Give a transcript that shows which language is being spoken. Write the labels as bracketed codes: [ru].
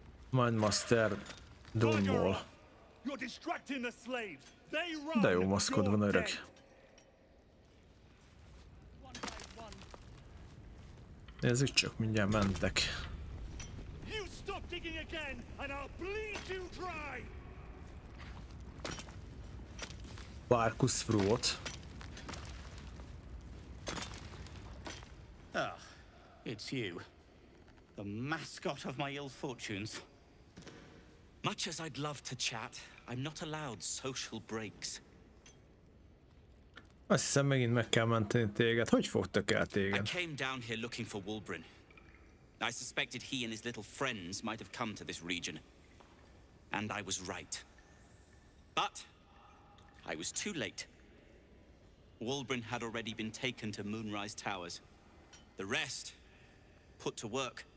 [en] Mindmaster Dumbol. You're distracting the slaves. They run. [hu] De jó maszkod van, öreg. Nézzük csak, mindjárt mentek. [en] You stop digging again and I'll bleed you dry. Barkus Fruot. Ah, it's you. The mascot of my ill fortunes. Much as I'd love to chat, I'm not allowed social breaks. [hu] Azt hiszem, megint meg kell menteni téged. Hogy fogtak el téged? [en] I came down here looking for Wolbrin. I suspected he and his little friends might have come to this region. And I was right. But I was too late. Wolbrin had already been taken to Moonrise Towers. The rest put to work.